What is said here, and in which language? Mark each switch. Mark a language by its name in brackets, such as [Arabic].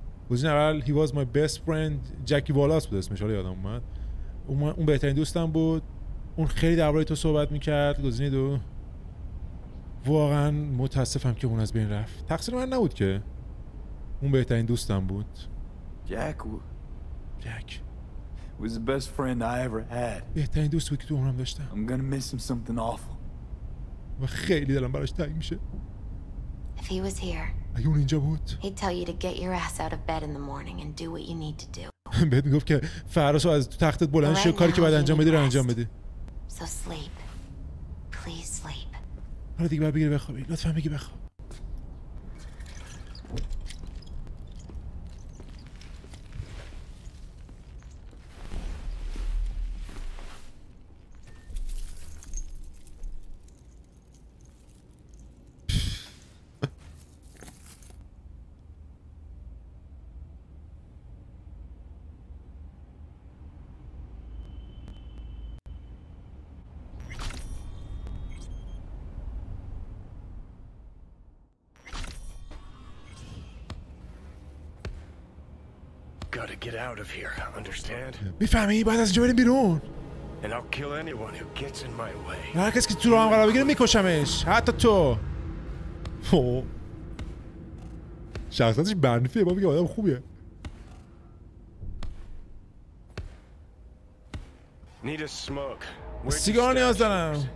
[Persian] بزین اول [English] he was my best friend. [Persian] جکی والاس بود اسمش، حالا یادم اومد. اون بهترین دوستم بود. اون خیلی در باره تو صحبت میکرد. گزینه دو واقعا متاسفم که اون از بین رفت. تقصیر من نبود که. اون بهترین دوستم بود. [English] Jack was the best friend I ever had. [Persian] بهترین دوست بود که تو عمرم داشتم. [English] I'm gonna miss him something awful. [Persian] و خیلی دلم براش تنگ میشه. [English] If he was here. [Persian] اگه اون اینجا بود. [English] He'd tell you to get your ass out of bed in the morning and do what you need to do. [Persian] بهت میگفت که فراسو از تو تختت بلند شو، کاری که باید انجام بدی رو انجام بدی. [English] So sleep. Please sleep. [Persian] حالا دیگه بگیر بخوابی. لطفا بگی بخواب. [English] gotta get out of here, understand? [Persian] میفهمی؟ باید از اینجا بریم بیرون. [English] And I'll kill anyone who gets in my way. [Persian] هر کسی که تو راهم قرار بگیره میکشمش. حتی تو. شخصیتش برنفیه، با میگه آدم خوبیه. [English] Need a smoke. [Persian] سیگار نیاز دارم.